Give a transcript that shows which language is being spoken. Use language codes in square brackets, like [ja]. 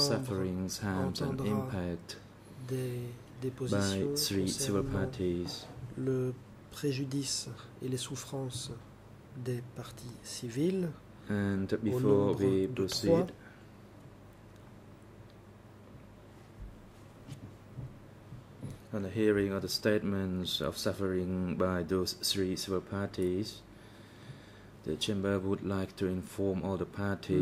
[en] of sufferings, harms and impact by three civil parties. [fr] Le préjudice et les souffrances des parties civiles. [en] And before we proceed, on the hearing of the statements of suffering by those three civil parties, the chamber would like to inform all the parties